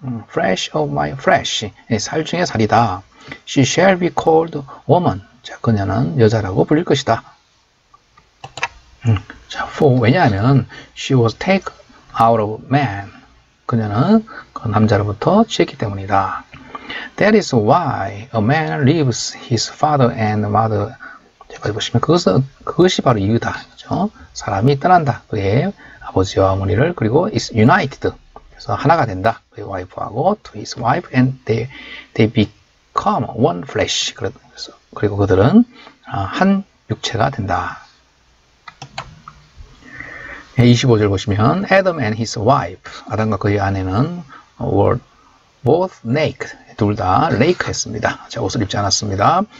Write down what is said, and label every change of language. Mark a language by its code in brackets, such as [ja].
[en] Flesh of my flesh. [ko] 예, 살 중에 살이다. [en] She shall be called woman. [ko] 자, 그녀는 여자라고 불릴 것이다. 자, [en] for [ko] 왜냐하면 [en] she was taken out of man. [ko] 그녀는 그 남자로부터 취했기 때문이다. [en] That is why a man leaves his father and mother. [ko] 제가 보시면 그것이 바로 이유다. 그렇죠? 사람이 떠난다. 그의 아버지와 어머니를 그리고 [en] is united. [ko] 그래서 하나가 된다. 그의 와이프하고 [en] to his wife and they become one flesh. [ko] 그래서 그리고 그들은 한 육체가 된다. 25절 보시면 [en] Adam and his wife [ko] 아담과 그의 아내는 [en] were both naked [ko] 둘 다 lake 했습니다. 자, 옷을 입지 않았습니다.